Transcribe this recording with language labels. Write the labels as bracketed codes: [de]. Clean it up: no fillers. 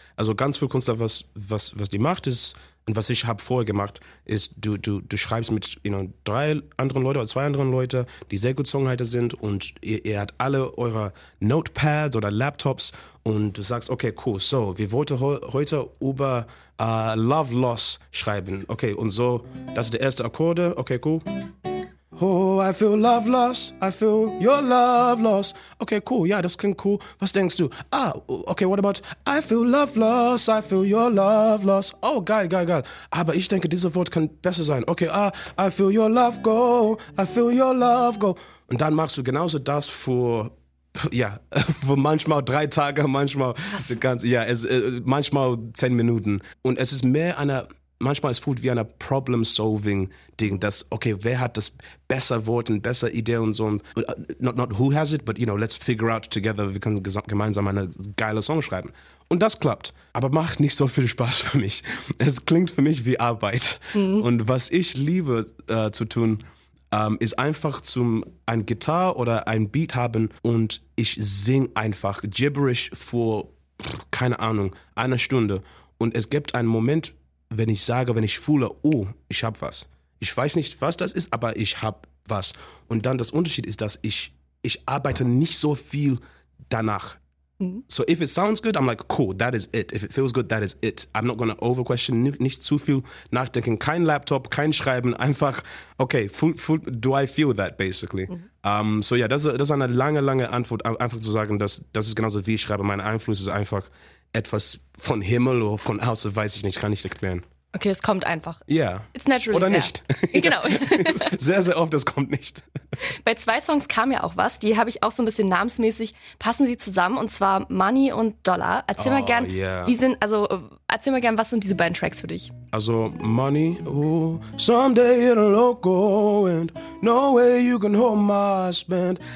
[de] Also ganz viele Künstler, was die macht ist, und was ich habe vorher gemacht, ist, du schreibst mit, drei anderen Leuten oder zwei anderen Leuten, die sehr gut Songwriter sind und ihr habt alle eure Notepads oder Laptops und du sagst, okay, cool, so, wir wollten heute über Love Loss schreiben. Okay, und so, das ist der erste Akkorde, okay, cool. [en] Oh, I feel love loss, I feel your love loss. Okay, cool, [de] ja, das klingt cool. Was denkst du? [en] Ah, okay, what about I feel love loss, I feel your love loss. [de] Oh, geil. Aber ich denke, dieses Wort kann besser sein. [en] Okay, ah, I feel your love go, I feel your love go. [de] Und dann machst du genauso das für manchmal 3 Tage, manchmal das Ganze, manchmal 10 Minuten. Und es ist mehr eine... Manchmal ist es wie ein Problem-Solving-Ding, dass, okay, wer hat das bessere Wort und bessere Idee und so. [en] Not who has it, but, let's figure out together. [de] Wir können gemeinsam eine geile Song schreiben. Und das klappt. Aber macht nicht so viel Spaß für mich. Es klingt für mich wie Arbeit. Mhm. Und was ich liebe zu tun, ist einfach ein Gitarre oder ein Beat haben und ich sing einfach gibberisch vor, keine Ahnung, einer Stunde. Und es gibt einen Moment, wenn ich fühle, oh, ich hab was. Ich weiß nicht, was das ist, aber ich hab was. Und dann das Unterschied ist, dass ich arbeite nicht so viel danach. Mhm. [en] So if it sounds good, I'm like, cool, that is it. If it feels good, that is it. I'm not gonna overquestion, [de] nicht zu viel nachdenken, kein Laptop, kein Schreiben, einfach, [en] okay, full, do I feel that, basically. Mhm. [de] Das ist eine lange, lange Antwort, einfach zu sagen, das ist genauso, wie ich schreibe. Mein Einfluss ist einfach etwas von Himmel oder von außen, weiß ich nicht, kann ich nicht erklären. Okay, es kommt einfach. Ja. [en] It's naturally [de] oder nicht. Genau. Sehr, sehr oft, es kommt nicht. Bei zwei Songs kam ja auch was, die habe ich auch so ein bisschen namensmäßig, passen sie zusammen, und zwar Money und Dollar. Erzähl mal gern, wie sind, also erzähl mal gern, was sind diese beiden Tracks für dich? [en] Also Money, oh, someday it'll all go and no way you can hold my spend.